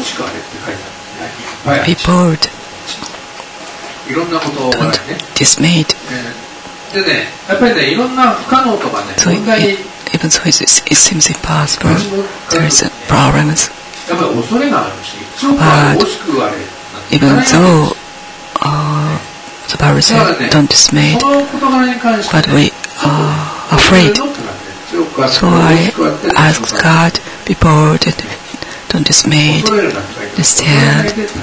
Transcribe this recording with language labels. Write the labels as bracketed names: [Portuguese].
[Japanese] しくあれって書いてあるね。いっぱいある。 [English] Don't dismayed. [Japanese] でね、やっぱりね、いろんな不可能とかね、 [English] even so it seems impossible, there is a problem. [Japanese] やっぱり恐れがあるし、強くは大しくあれ。 [English] Even though, the Bible said, don't dismayed, but we are afraid. So I asked God, be bold and Don't dismay, stand.